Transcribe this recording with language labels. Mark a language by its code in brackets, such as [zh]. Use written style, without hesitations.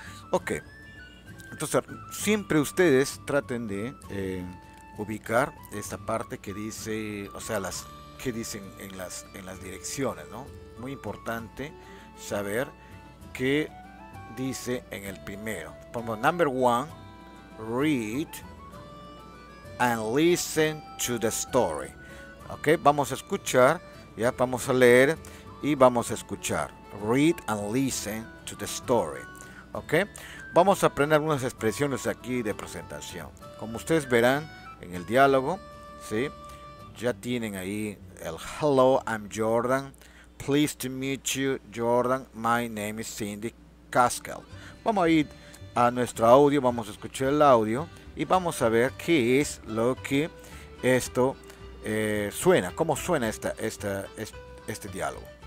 [es] Ok, entonces siempre ustedes traten de ubicar esta parte que dice, o sea, las que dicen en las direcciones, ¿no? Muy importante saber qué dice en el primero. Como [en] number one, read and listen to the story. [es] Ok, vamos a escuchar, ya vamos a leer y vamos a escuchar. [en] Read and listen to the story. [es] Ok, vamos a aprender algunas expresiones aquí de presentación. Como ustedes verán en el diálogo, ¿sí? Ya tienen ahí el [en] hello, I'm Jordan. Pleased to meet you, Jordan. My name is Cindy Caskell. [es] Vamos a ir a nuestro audio, vamos a escuchar el audio y vamos a ver qué es lo que esto suena, cómo suena este diálogo.